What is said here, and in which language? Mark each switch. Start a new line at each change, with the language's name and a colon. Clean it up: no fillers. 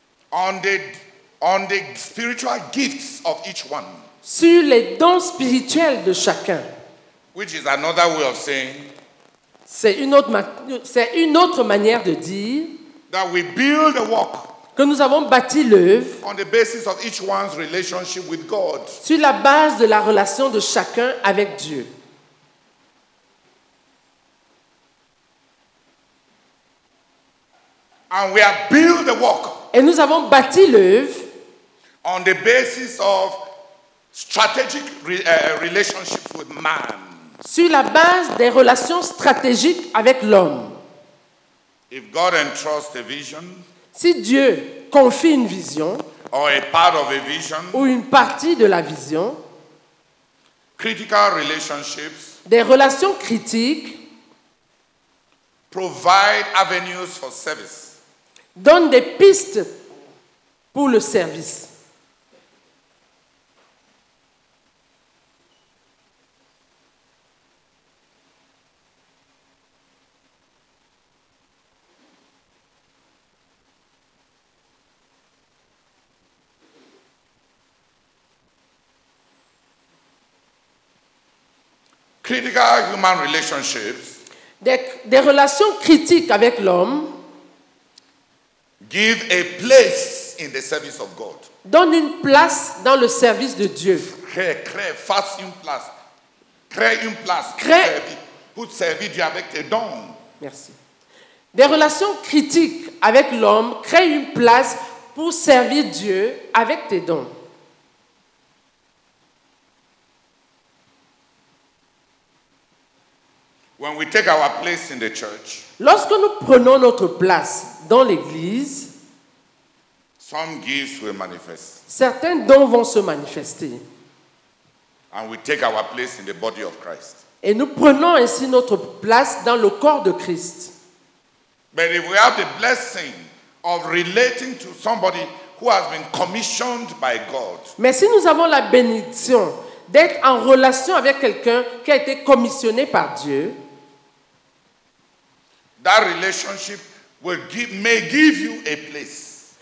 English: On the spiritual gifts of each one.
French: Sur les dons spirituels de chacun.
English: Which is another way of saying,
French: c'est une autre manière de dire
English: that we build a work
French: que nous avons bâti l'œuvre
English: on the basis of each one's relationship with God.
French: Sur la base de la relation de chacun avec Dieu.
English: And we have built a work
French: et nous avons bâti l'œuvre
English: on the basis of strategic relationships with man.
French: Sur la base des relations stratégiques avec l'homme.
English: If God entrusts a vision,
French: si Dieu confie une vision,
English: or a part of a vision,
French: ou une partie de la vision,
English: critical relationships,
French: des relations critiques,
English: provide avenues for service,
French: donnent des pistes pour le service.
English: Critical human relationships
French: des relations critiques avec l'homme
English: give a place in the service of God.
French: Donne une place dans le service de Dieu. Crée, fasse une place. Crée une place. Pour servir Dieu avec tes dons. Merci. Des relations critiques avec l'homme créent une place pour servir Dieu avec tes dons.
English: When we take our place in the church,
French: lorsque nous prenons notre place dans l'église,
English: some gifts will manifest.
French: Certains dons vont se manifester.
English: And we take our place in the body of Christ.
French: Et nous prenons ainsi notre place dans le corps de Christ.
English: But if we have the blessing of relating to somebody who has been commissioned by God,
French: mais si nous avons la bénédiction d'être en relation avec quelqu'un qui a été commissionné par Dieu,
English: that relationship will give, may give you a place.